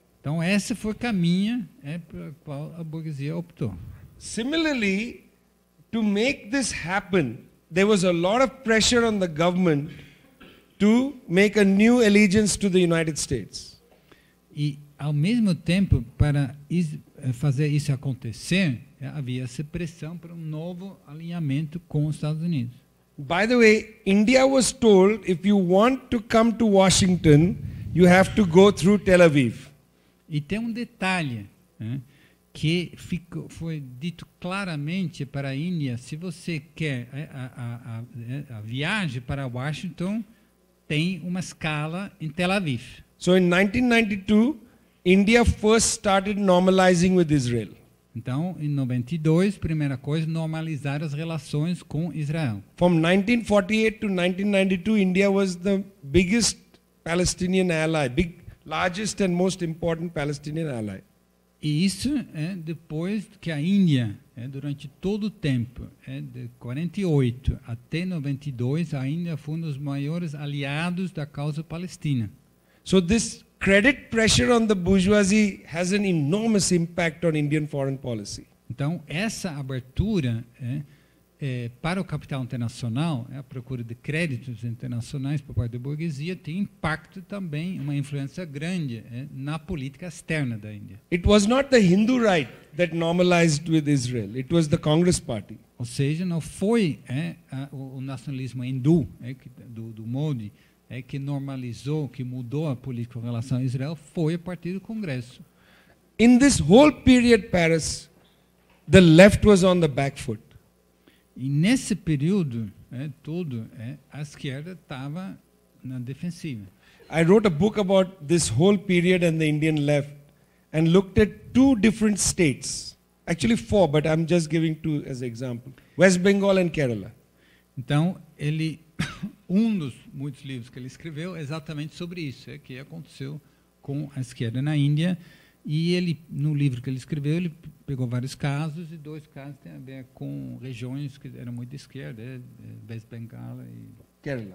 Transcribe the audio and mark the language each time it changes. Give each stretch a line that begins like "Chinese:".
Portuguese: Então esse foi o caminho pelo qual a burguesia optou.
English: Similarly, to make this happen, there was a lot of pressure on the government to make a new allegiance to the United States.
Portuguese: E ao mesmo tempo para fazer isso acontecer, havia essa pressão para novo alinhamento com os Estados Unidos.
English: By the way, India was told, if you want to come to Washington, you have to go through Tel Aviv.
Portuguese: E tem detalhe, que foi dito claramente para a Índia, se você quer a viagem para Washington, tem uma escala em Tel Aviv.
English: So in 1992, India first started normalizing with Israel.
Portuguese: Então, em 92, primeira coisa, normalizar as relações com Israel.
English: From 1948 to 1992, India was the biggest Palestinian ally, largest and most important Palestinian ally.
Portuguese: E isso depois que a Índia, durante todo o tempo, de 48 até 92, a Índia foi um dos maiores aliados da causa palestina.
English: So this credit pressure on the bourgeoisie has an enormous impact on Indian foreign policy.
Portuguese: Então, essa abertura para o capital internacional, a procura de créditos internacionais por parte da burguesia, tem impacto também, uma influência grande na política externa da Índia.
English: It was not the Hindu right that normalized with Israel, it was the Congress Party.
Portuguese: Ou seja, não foi o nacionalismo hindu do Modi que normalizou, que mudou a política em relação a Israel, foi o Partido do Congresso.
English: In this whole period, Paris, the left was on the back foot.
Portuguese: E nesse período todo a esquerda estava na defensiva.
English: I wrote a book about this whole period and the Indian left and looked at two different states, actually four, but I'm just giving two as example: West Bengal and Kerala.
Portuguese: Então ele dos muitos livros que ele escreveu é exatamente sobre isso, que aconteceu com a esquerda na Índia. E ele, no livro que ele escreveu, ele pegou vários casos, e dois casos têm a ver com regiões que eram muito de esquerda, West Bengal e